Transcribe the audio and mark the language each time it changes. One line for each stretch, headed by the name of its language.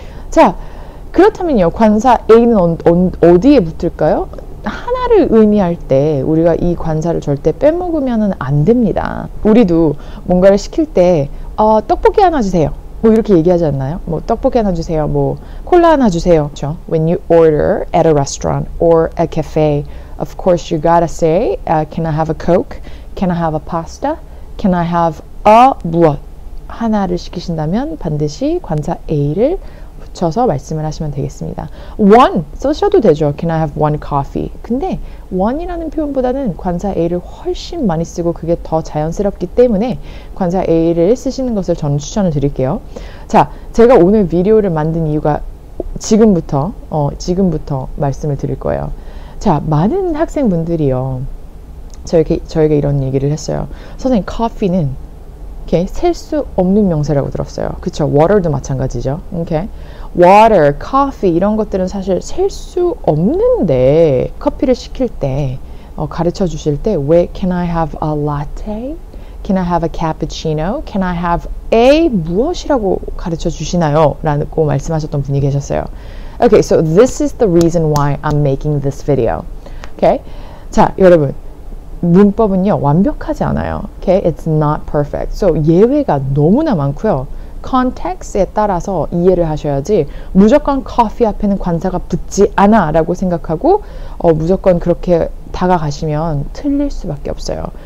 Korean: 자, 그렇다면요. 관사 A는 어디에 붙을까요? 하나를 의미할 때 우리가 이 관사를 절대 빼먹으면 안 됩니다. 우리도 뭔가를 시킬 때 떡볶이 하나 주세요. 뭐 이렇게 얘기하지 않나요? 뭐 떡볶이 하나 주세요. 뭐 콜라 하나 주세요. 그렇죠?
English: When you order at a restaurant or a cafe, of course you gotta say, can I have a Coke? Can I have a pasta? Can I have a
Korean: 무엇? 하나를 시키신다면 반드시 관사 A를 붙여서 말씀을 하시면 되겠습니다.
English: One
Korean: 쓰셔도 되죠.
English: Can I have one coffee?
Korean: 근데 one이라는 표현보다는 관사 A를 훨씬 많이 쓰고 그게 더 자연스럽기 때문에 관사 A를 쓰시는 것을 저는 추천을 드릴게요. 자, 제가 오늘 비디오를 만든 이유가 지금부터 말씀을 드릴 거예요. 자, 많은 학생분들이요. 저에게 이런 얘기를 했어요. 선생님, 커피는 이렇게 셀 수 없는 명사라고 들었어요. 그쵸? water도 마찬가지죠. Okay. water, coffee 이런 것들은 사실 셀 수 없는데 커피를 시킬 때 가르쳐 주실 때 왜 can I have a latte?
English: can I have a cappuccino? can I have a
Korean: 무엇이라고 가르쳐 주시나요? 라고 말씀하셨던 분이 계셨어요.
English: Okay, so this is the reason why I'm making this video. Okay.
Korean: 자, 여러분 문법은요 완벽하지 않아요.
English: Okay, it's not perfect.
Korean: So 예외가 너무나 많고요. Context에 따라서 이해를 하셔야지 무조건 coffee 앞에는 관사가 붙지 않아 라고 생각하고 무조건 그렇게 다가가시면 틀릴 수밖에 없어요.